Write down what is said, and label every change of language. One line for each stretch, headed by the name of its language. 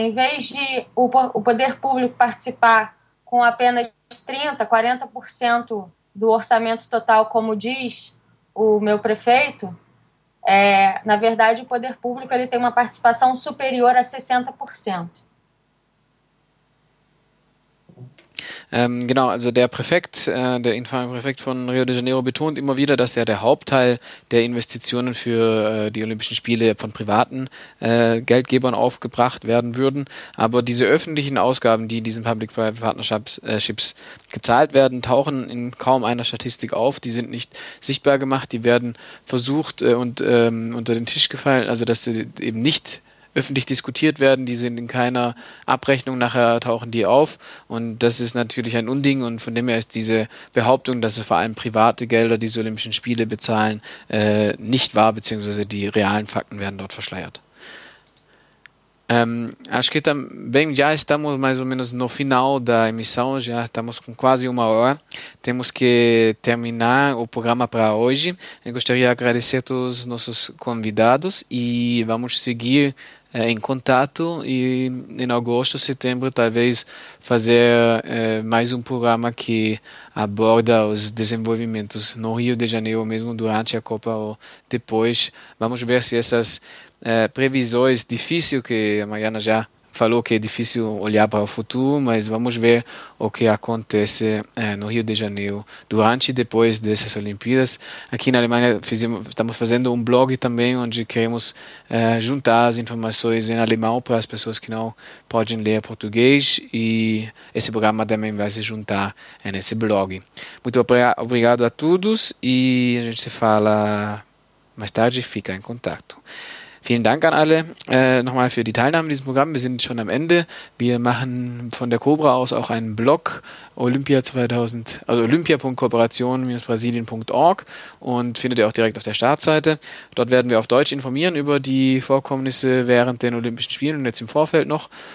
Portuguese: Em vez de o poder público participar com apenas 30%, 40% do orçamento total, como diz o meu prefeito, na verdade, o poder público ele tem uma participação superior a 60%.
German: Genau, also der Präfekt, der infame Präfekt von Rio de Janeiro betont immer wieder, dass ja der Hauptteil der Investitionen für die Olympischen Spiele von privaten Geldgebern aufgebracht werden würden. Aber diese öffentlichen Ausgaben, die in diesen Public-Private Partnerships gezahlt werden, tauchen in kaum einer Statistik auf. Die sind nicht sichtbar gemacht, die werden versucht und unter den Tisch gefallen, also dass sie eben nicht öffentlich diskutiert werden, die sind in keiner Abrechnung, nachher tauchen die auf und das ist natürlich ein Unding und von dem her ist diese Behauptung, dass es vor allem private Gelder diese Olympischen Spiele bezahlen, nicht wahr, beziehungsweise die realen Fakten werden dort verschleiert.
Portuguese: Acho que também já estamos mais ou menos no final da emissão, já estamos com quase uma hora. Temos que terminar o programa para hoje. Eu gostaria de agradecer a todos os nossos convidados e vamos seguir em contato e em agosto, setembro, talvez fazer mais um programa que aborda os desenvolvimentos no Rio de Janeiro, mesmo durante a Copa ou depois. Vamos ver se essas previsões difícil, que a Mariana já falou que é difícil olhar para o futuro, mas vamos ver o que acontece no Rio de Janeiro durante e depois dessas Olimpíadas. Aqui na Alemanha estamos fazendo um blog também, onde queremos juntar as informações em alemão para as pessoas que não podem ler português, e esse programa também vai se juntar nesse blog. Muito obrigado a todos e a gente se fala mais tarde, fica em contato.
German: Vielen Dank an alle nochmal für die Teilnahme an diesem Programm. Wir sind schon am Ende. Wir machen von der Cobra aus auch einen Blog, olympia.kooperation-brasilien.org, und findet ihr auch direkt auf der Startseite. Dort werden wir auf Deutsch informieren über die Vorkommnisse während den Olympischen Spielen und jetzt im Vorfeld noch.